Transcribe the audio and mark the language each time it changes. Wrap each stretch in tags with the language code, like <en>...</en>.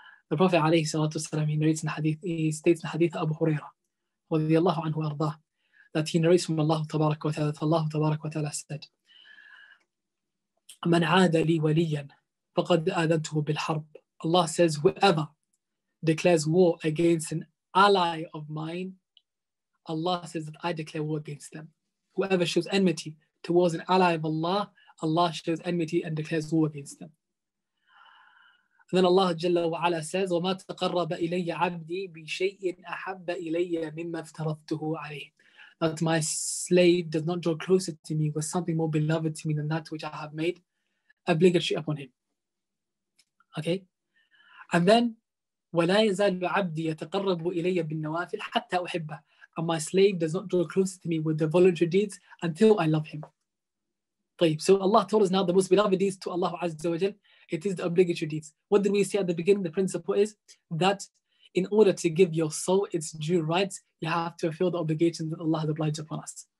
<en>The Prophet alayhi salatu wasalam, he narrates in the hadith, he states in the hadith of Abu Huraira, radiallahu anhu arda, that he narrates from Allah ta'ala, that Allah ta'ala said,</en> <ar>من عاد لي وليا فقد آذنته بالحرب.</ar> <en>Allah says, whoever declares war against an ally of mine, Allah says that I declare war against them. Whoever shows enmity towards an ally of Allah, Allah shows enmity and declares war against them. And then Allah Jalla wa Ala says,</en> <ar>وما تقرب إلي عبدي بشيء أحب إلي مما افترضته عليه.</ar> <en>That my slave does not draw closer to me with something more beloved to me than that which I have made obligatory upon him. Okay? And then,</en> <ar>وَلَا يَزَالُ عَبْدِي يَتَقَرَّبُ إِلَيَّ بِالنَّوَافِلْ حَتَّى أُحِبَّهُ.</ar> <en>And my slave does not draw closer to me with the voluntary deeds until I love him.</en> <ar>طيب.</ar> <en>So Allah told us now the most beloved deeds to Allah Azza wa Jal, it is the obligatory deeds. What did we say at the beginning? The principle is that in order to give your soul its due rights, you have to fulfill the obligation that Allah has obliged upon us.</en>